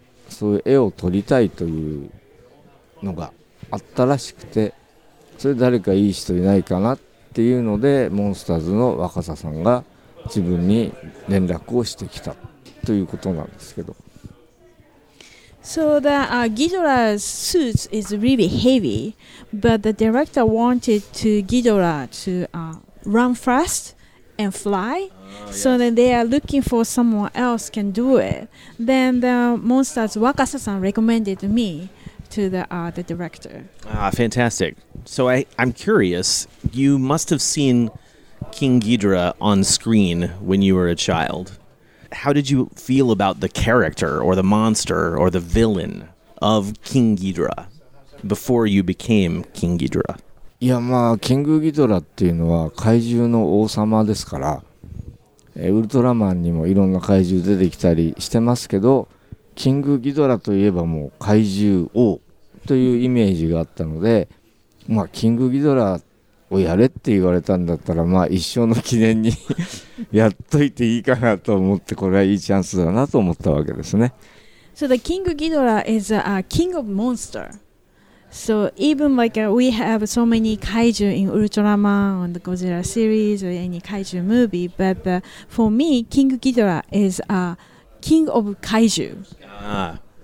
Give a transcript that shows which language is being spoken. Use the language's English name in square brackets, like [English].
[Japanese] そういう絵を撮りたいというのがあったらしくて、それ誰かいい人いないかなっていうのでモンスターズの若狭さんが自分に連絡をしてきたということなんですけど。 [English] So the Ghidorah's suit is really heavy, but the director wanted to Ghidorah to run fast and flySo then they are looking for someone else can do it. Then the monsters Wakasa-san recommended me to the director. Ah, fantastic. So I'm curious. You must have seen King Ghidorah on screen when you were a child. How did you feel about the character or the monster or the villain of King Ghidorah before you became King Ghidorah? [Japanese] Yeah, まあ King Ghidorah っていうのは怪獣の王様ですから。ウルトラマンにもいろんな怪獣出てきたりしてますけど、キングギドラといえばもう怪獣王というイメージがあったので、まあキングギドラをやれって言われたんだったら、まあ一生の記念にやっといていいかなと思って、これはいいチャンスだなと思ったわけですね。 [English] So the King Ghidorah is a king of monster. So even like we have so many kaiju in Ultraman or the Godzilla series or any kaiju movie, but for me, King Ghidorah is a king of kaiju.